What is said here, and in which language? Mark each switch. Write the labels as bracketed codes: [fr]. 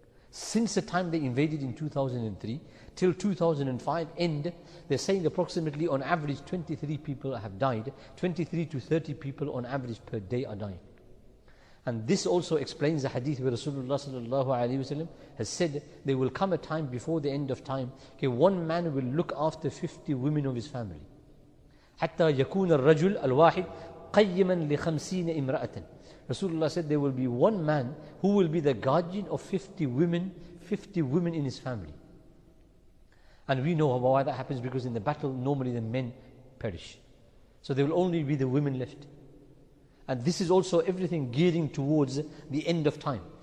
[en] Since the time they invaded in 2003 till 2005 end, they're saying approximately on average 23 people have died. 23 to 30 people on average per day are dying. And this also explains the hadith where Rasulullah sallallahu alayhi wa sallam has said there will come a time before the end of time, okay, one man will look after 50 women of his family. [ar] حتى يكون الرجل الواحد قيما لخمسين امرأة. [en] Rasulullah said there will be one man who will be the guardian of 50 women in his family. And we know why that happens, because in the battle normally the men perish. So there will only be the women left. And this is also everything gearing towards the end of time.